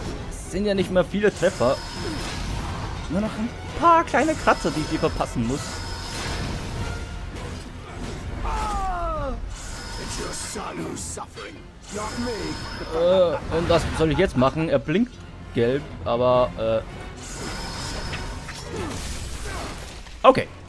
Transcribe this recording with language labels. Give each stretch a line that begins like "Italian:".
German: Es sind ja nicht mehr viele Treffer. Nur noch ein paar kleine Kratzer, die ich dir verpassen muss.
English: It's your son who's suffering.
German: Und was soll ich jetzt machen? Er blinkt gelb, aber okay.